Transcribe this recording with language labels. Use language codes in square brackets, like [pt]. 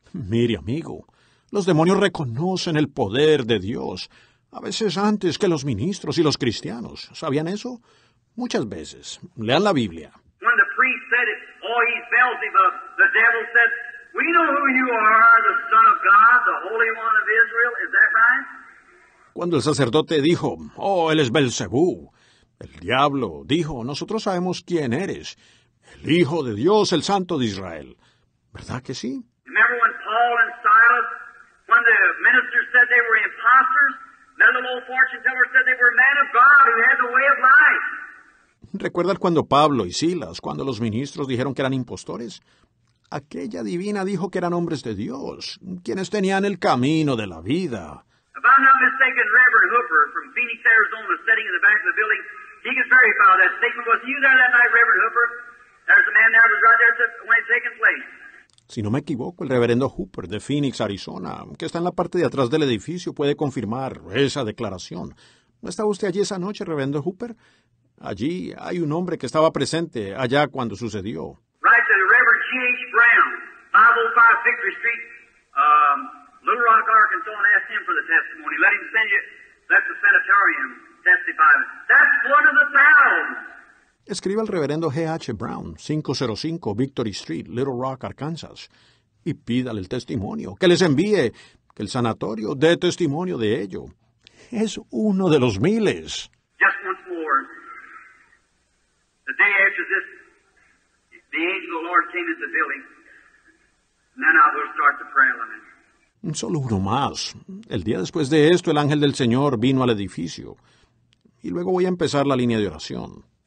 [es] Mire, amigo. Los demonios reconocen el poder de Dios, a veces antes que los ministros y los cristianos. ¿Sabían eso? Muchas veces. Lean la Biblia. [en] When the priest said it, boy, he's Beelzebub. The devil said, we know who you are, the Son of God, the Holy One of Israel. Is that right? [es] Cuando el sacerdote dijo, oh, él es Belcebú, el diablo dijo, nosotros sabemos quién eres, el Hijo de Dios, el Santo de Israel. ¿Verdad que sí? [en] Remember when Paul and Silas, when the ministers said they were imposters, another old fortune teller said they were men of God who had the way of life. [es] ¿Recuerdas cuando Pablo y Silas, cuando los ministros dijeron que eran impostores? Aquella divina dijo que eran hombres de Dios, quienes tenían el camino de la vida. [en] If I'm not mistaken, Reverend Hooper from Phoenix, Arizona, sitting in the back of the building, he can verify that statement. Was you there that night, Reverend Hooper? There's a man there who's right there when it's taking place. [es] Si no me equivoco, el reverendo Hooper de Phoenix, Arizona, que está en la parte de atrás del edificio, puede confirmar esa declaración. ¿No estaba usted allí esa noche, reverendo Hooper? Allí hay un hombre que estaba presente allá cuando sucedió. [en] Right, the Reverend G.H. Brown, 505 Victory Street, Little Rock, Arkansas, and asked him for the testimony. Let him send you, let the sanitarium testify. That's one of the thousands. [es] Escribe al reverendo G.H. Brown, 505 Victory Street, Little Rock, Arkansas, y pídale el testimonio, que les envíe, que el sanatorio dé testimonio de ello. Es uno de los miles. [en] Just once more. The day after this, the angel of the Lord came into the building, and then I will start the prayer line. [es] Solo uno más. El día después de esto, el ángel del Señor vino al edificio, y luego voy a empezar la línea de oración.